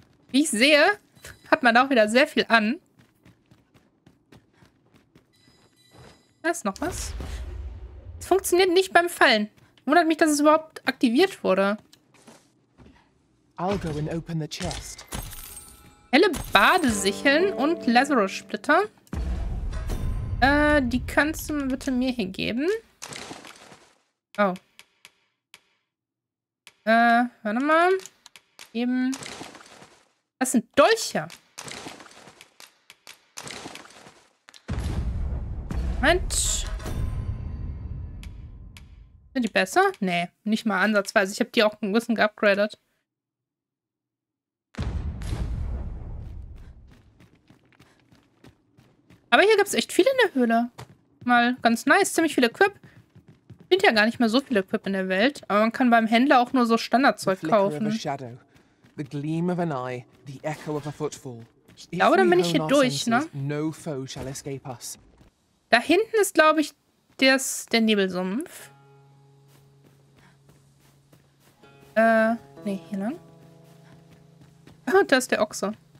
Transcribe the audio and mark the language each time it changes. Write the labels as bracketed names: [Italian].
[German] Wie ich sehe, hat man da auch wieder sehr viel an. Da ist noch was. Es funktioniert nicht beim Fallen. Wundert mich, dass es überhaupt aktiviert wurde. [English] I'll go and open the chest. [German] Helle Badesicheln und Lazarus-Splitter. Die kannst du bitte mir hier geben. Oh. Warte mal. Eben. Das sind Dolche. Moment. Sind die besser? Nee, nicht mal ansatzweise. Ich habe die auch ein bisschen geupgradet. Aber hier gibt es echt viel in der Höhle. Mal ganz nice. Ziemlich viel Equip. Ich finde ja gar nicht mehr so viel Equip in der Welt. Aber man kann beim Händler auch nur so Standardzeug kaufen. [English] The gleam of an eye, the echo of a footfall. [German] Ich glaube, dann bin ich hier durch, ne? [English] No foe shall escape us. [German] Da hinten ist, glaube ich, der Nebelsumpf. Nee, hier lang. Ah, da ist der Ochse.